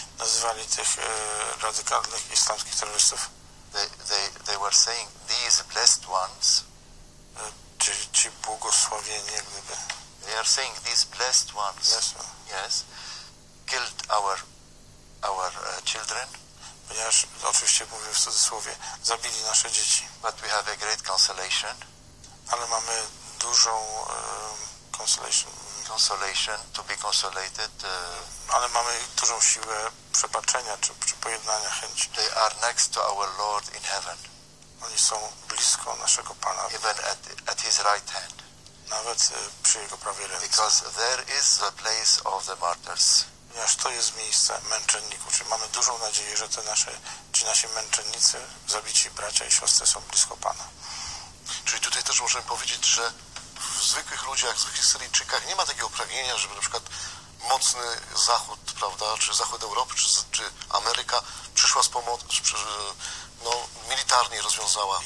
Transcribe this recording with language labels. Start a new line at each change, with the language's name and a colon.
Polish: Nazywali tych radykalnych islamskich terrorystów.
English: They were saying these blessed ones.
Polish: Ci błogosławieni, jak gdyby.
English: They are saying these blessed ones. Yes. Yes. Killed our children.
Polish: Ponieważ oczywiście mówię w cudzysłowie, zabili nasze dzieci.
English: But we have a great consolation.
Polish: Ale mamy dużą consolation.
English: Consolation to be consolated.
Polish: Ale mamy dużą siłę przebaczenia czy pojednania chęci.
English: They are next to our Lord in heaven.
Polish: Oni są blisko naszego Pana.
English: Even at his right hand.
Polish: Nawet przy jego prawej ręce.
English: Because there is the place of the martyrs.
Polish: Ponieważ to jest miejsce męczenników. Czyli mamy dużą nadzieję, że te nasze, czy nasi męczennicy, zabici bracia i siostry są blisko Pana. Czyli tutaj też możemy powiedzieć, że w zwykłych ludziach, w zwykłych Syryjczykach nie ma takiego pragnienia, żeby na przykład mocny Zachód, prawda, czy Zachód Europy, czy Ameryka przyszła z pomocą, no, militarnie rozwiązała.